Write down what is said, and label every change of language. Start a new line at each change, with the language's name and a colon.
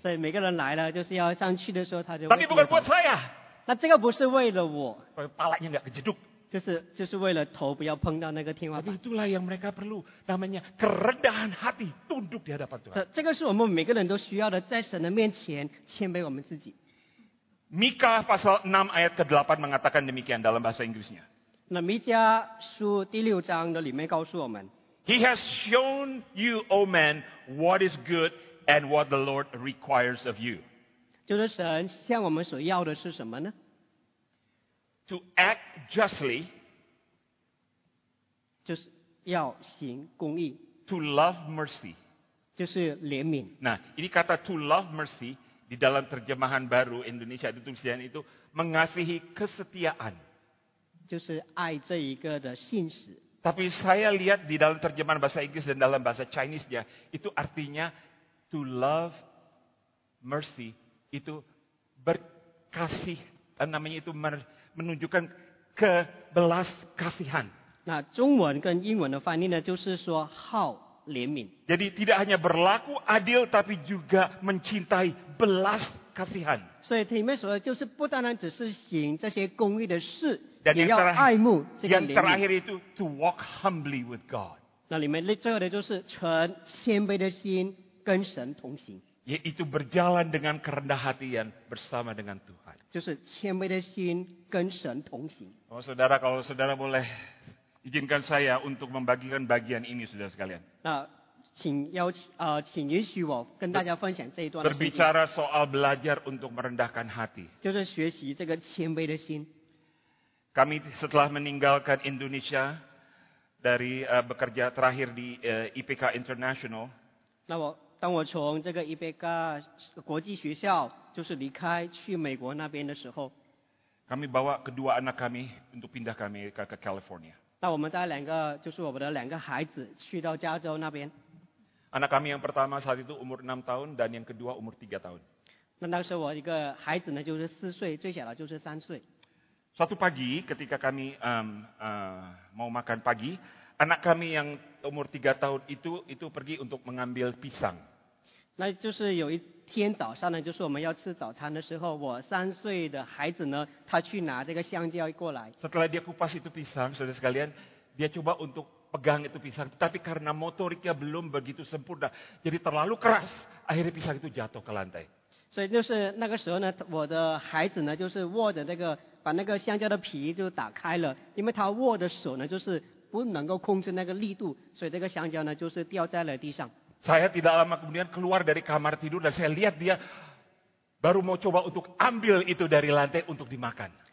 Chinese: 所以每个人来了就是要上去的时候他就
Indonesian: Tapi bukan buat saya.
Chinese: 那这个不是为了我.
Indonesian: Palanya enggak kejeduk.
Chinese: 就是为了头不要碰到那个天花板.
Indonesian: Tapi itulah yang mereka perlu, namanya kerendahan hati, tunduk di hadapan Tuhan.
Chinese: 这个是我们每个人都需要的，在神的面前谦卑我们自己。
Indonesian: Mika pasal 6 ayat ke-8 mengatakan demikian dalam bahasa Inggrisnya.
Chinese: 那弥迦书第六章的里面告诉我们,
English: He has shown you, O man, what is good and what the Lord requires of you.
Chinese: 就是神向我们所要的是什么呢?
English: To act justly.
Chinese: 就是要行公义。
English: To love mercy.
Chinese: 就是怜悯。
Indonesian: Nah, ini kata
English: to love mercy
Indonesian: di dalam terjemahan baru Indonesia ditulisnya itu mengasihi kesetiaan.
Chinese: 就是爱这一个的信使。
Indonesian: Tapi saya lihat di dalam terjemahan bahasa Inggris dan dalam bahasa Chinese-nya, itu artinya
English: to love mercy,
Indonesian: itu berkasih, namanya itu menunjukkan kebelas kasihan.
Chinese: Nah, 中文跟英文的翻译呢, 就是说好怜悯.
Indonesian: Jadi tidak hanya berlaku adil, tapi juga mencintai belas kasihan.
Chinese: 所以里面说的就是不单单只是行这些公义的事,
Indonesian: dan yang terakhir, terakhir
English: itu to walk humbly with God.
Chinese: 那里面最后的就是存谦卑的心跟神同行。
Indonesian: yaitu berjalan dengan kerendah hatian bersama dengan Tuhan.
Chinese: 就是谦卑的心跟神同行.
Indonesian: Oh, saudara, kalau saudara boleh izinkan saya untuk membagikan bagian ini, saudara sekalian.
Chinese: Nah, 请允许我跟大家分享这一段.
Indonesian: Berbicara soal belajar untuk merendahkan hati.
Chinese: 就是学习这个谦卑的心.
Indonesian: Kami setelah meninggalkan Indonesia dari bekerja terakhir di IPK International.
Chinese: 当我从这个 IPK 国际学校就是离开去美国那边的时候,
Indonesian: kami bawa kedua anak kami untuk pindah ke Amerika, ke California.
Chinese: 那我们带两个就是我们的两个孩子去到加州那边.
Indonesian: Anak kami yang pertama saat itu umur 6 tahun dan yang kedua umur 3 tahun.
Chinese: 那当时我一个孩子呢就是4岁，最小的就是3岁.
Indonesian: Suatu pagi ketika kami mau makan pagi, anak kami yang umur 3 tahun itu pergi untuk mengambil pisang.
Chinese: 那就是有一天早上呢，就是我们要吃早餐的时候，我三岁的孩子呢，他去拿这个香蕉过来。
Indonesian: Setelah dia kupas itu pisang, saudara sekalian, dia coba untuk pegang itu pisang, tapi karena motoriknya belum begitu sempurna, jadi terlalu keras, akhirnya pisang itu jatuh ke lantai.
Chinese: 所以就是那个时候呢，我的孩子呢，就是握着那个把那个香蕉的皮就打开了，因为他握的手呢，就是 不能够控制那个力度，所以这个香蕉呢就是掉在了地上。
Indonesian: Saya tidak lama kemudian keluar dari kamar tidur dan saya lihat dia baru mau coba untuk ambil itu dari lantai untuk dimakan.